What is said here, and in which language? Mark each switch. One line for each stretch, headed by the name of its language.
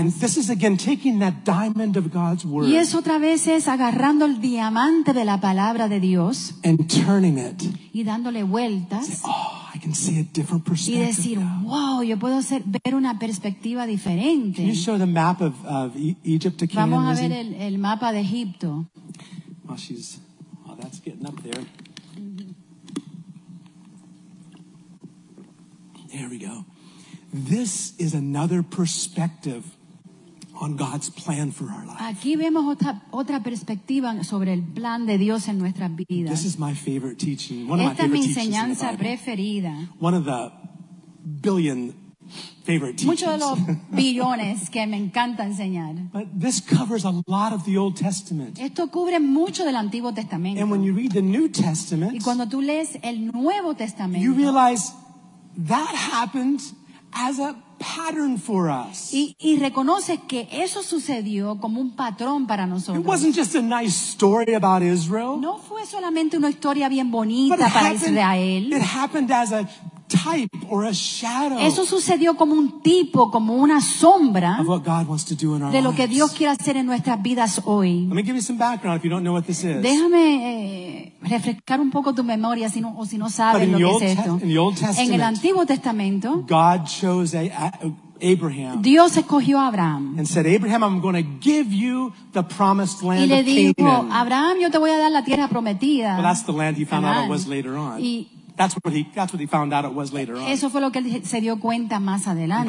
English: And this is again taking that diamond of God's word.
Spanish: Y es otra vez es agarrando el diamante de la palabra de Dios.
English: And turning it.
Spanish: Y dándole vueltas.
English: Say, oh, I can see a different perspective.
Spanish: Y decir, wow, yo puedo ver una perspectiva diferente.
English: Can you show the map of Egypt to Canaan?
Spanish: Vamos a ver el mapa de Egipto.
English: Well, she's, oh, that's getting up there. There we go. This is another perspective on God's plan for our life.
Spanish: Aquí vemos otra perspectiva sobre el plan de Dios en nuestras vidas.
English: This is my favorite teaching.
Spanish: Esta es mi enseñanza preferida.
English: One of the billion favorite teachings.
Spanish: Muchos de los billones que me encanta enseñar.
English: But this covers a lot of the Old Testament.
Spanish: Esto cubre mucho del Antiguo Testamento.
English: And when you read the New Testament,
Spanish: y cuando tú lees el Nuevo Testamento,
English: you realize that happened as a pattern for us.
Spanish: Y reconoces que eso sucedió como un patrón para nosotros.
English: It wasn't just a nice story about Israel.
Spanish: No fue solamente una historia bien bonita para Israel.
English: It happened as a type or a shadow.
Spanish: Eso sucedió como un tipo, como una sombra
English: of what God wants to do in our
Spanish: de lo que Dios quiere hacer en nuestras vidas hoy.
English: Let me give you some background if you don't know what this is.
Spanish: Déjame refrescar un poco tu memoria si no sabes lo que
English: Old
Spanish: es esto.
English: In the Old Testament,
Spanish: en el Antiguo Testamento,
English: God chose Abraham.
Spanish: Dios escogió a Abraham.
English: And said, Abraham, I'm going to give you the promised land of Canaan.
Spanish: Y le dijo, Abraham, yo te voy a dar la tierra prometida.
English: Well, that's the land he found out it was later on. That's what he found out it was later on.
Spanish: Eso fue lo que él se dio cuenta más adelante.